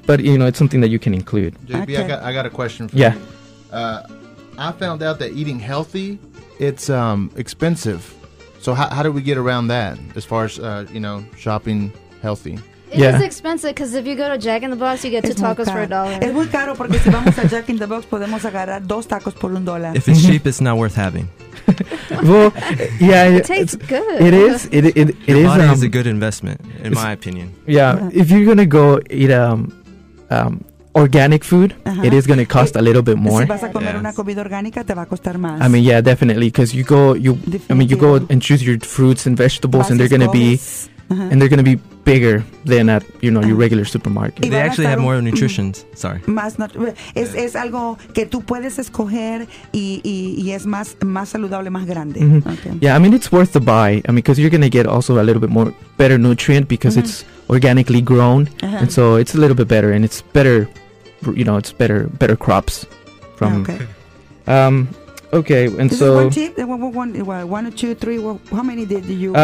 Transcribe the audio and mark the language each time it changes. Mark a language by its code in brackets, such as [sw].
[en] But, you know, it's something that you can include. JB, okay. I got a question for you. I found out that eating healthy, it's expensive. So how do we get around that as far as, you know, shopping healthy? It's expensive because if you go to Jack in the Box, you get two tacos for a dollar. [es] Es muy caro porque si vamos a Jack in the Box, podemos agarrar dos tacos por un dólar. [en] If it's cheap, it's not worth having. Well, yeah. It tastes good. It is. It is. Your body is a good investment, in my opinion. Yeah. If you're going to go eat organic food, it is going to cost a little bit more. [es] Si vas a comer una comida orgánica, te va a costar más. [en] I mean, yeah, definitely. Because you go and choose your fruits and vegetables, and they're going to be... And they're going to be bigger than at, you know, your regular supermarket. They actually have more nutrition. Sorry. [es] Es algo que tú puedes escoger y es más saludable, más grande. [en] Yeah, I mean, it's worth the buy. I mean, because you're going to get also a little bit more better nutrient because it's organically grown. And so it's a little bit better and it's better, you know, it's better crops from. Okay, and this so... Is one tip? One, two, three, well, how many did you...